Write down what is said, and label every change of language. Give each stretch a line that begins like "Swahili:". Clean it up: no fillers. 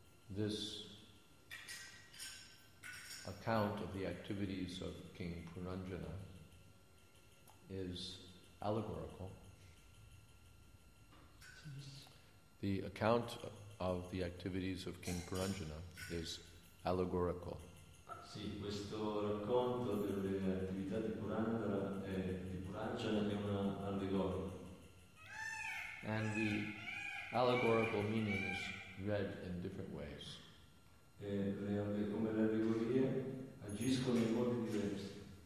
English: This account of the activities of King Puranjana is allegorical. The account of the activities of King Puranjana is allegorical.
Italian: Sì, questo racconto delle attività di Puranjana è un'allegoria.
English: And the allegorical meaning is read in different ways.
Italian: E come le allegorie agiscono in modi diversi.